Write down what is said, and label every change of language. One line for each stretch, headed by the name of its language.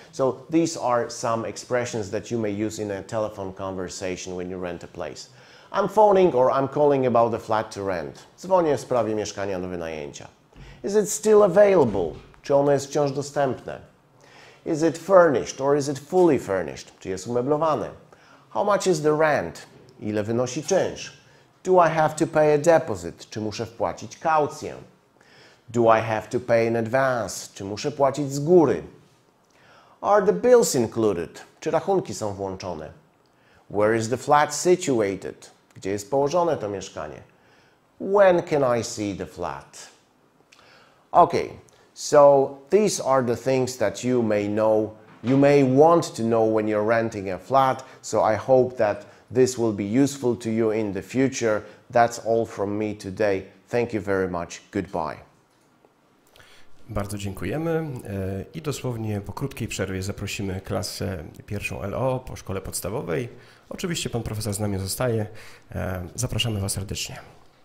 English: So these are some expressions that you may use in a telephone conversation when you rent a place. I'm phoning or I'm calling about the flat to rent.
Polish: Dzwonię w sprawie mieszkania do wynajęcia.
English: Is it still available?
Polish: Czy ono jest wciąż dostępne?
English: Is it furnished or is it fully furnished?
Polish: Czy jest umeblowane?
English: How much is the rent?
Polish: Ile wynosi czynsz?
English: Do I have to pay a deposit?
Polish: Czy muszę wpłacić kaucję?
English: Do I have to pay in advance?
Polish: Czy muszę płacić z góry?
English: Are the bills included?
Polish: Czy rachunki są włączone?
English: Where is the flat situated?
Polish: Gdzie jest położone to mieszkanie?
English: When can I see the flat? Okay. So these are the things that you may know, you may want to know when you're renting a flat. So I hope that this will be useful to you in the future. That's all from me today. Thank you very much. Goodbye.
Polish: Bardzo dziękujemy i dosłownie po krótkiej przerwie zaprosimy klasę pierwszą LO po szkole podstawowej. Oczywiście pan profesor z nami zostaje. Zapraszamy was serdecznie.